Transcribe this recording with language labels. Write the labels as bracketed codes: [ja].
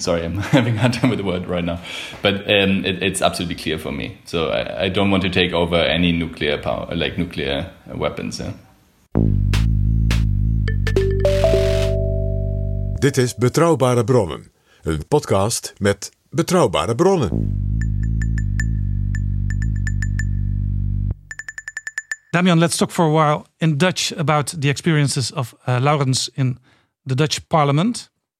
[en] Sorry, I'm having a hard time with the word right now, but it's absolutely clear for me. So I don't want to take over any nuclear power, like nuclear weapons. Yeah. [nl] Dit is Betrouwbare Bronnen, een podcast met betrouwbare bronnen. [en] Damian, let's talk for a while in Dutch about the experiences of Laurens in the Dutch parliament.